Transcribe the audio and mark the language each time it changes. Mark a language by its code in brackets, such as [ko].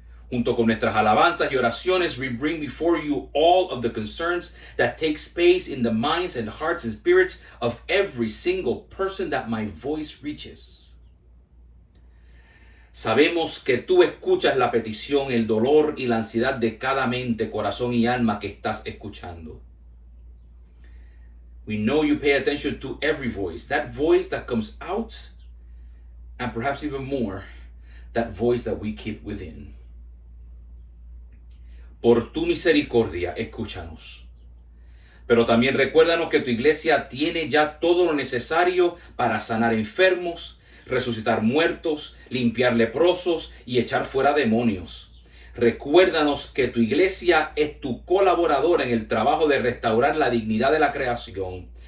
[es] Junto con nuestras alabanzas y oraciones, [en] we bring before you all of the concerns that take space in the minds and hearts and spirits of every single person that my voice reaches. [es] Sabemos que tú escuchas la petición, el dolor y la ansiedad de cada mente, corazón y alma que estás escuchando. [en] We know you pay attention to every voice, that voice that comes out, and perhaps even more, that voice that we keep within. [es] Por tu misericordia, escúchanos. Pero también recuérdanos que tu iglesia tiene ya todo lo necesario para sanar enfermos, resucitar muertos, limpiar leprosos y echar fuera demonios. Recuérdanos que tu iglesia es tu colaboradora en el trabajo de restaurar la dignidad de la creación.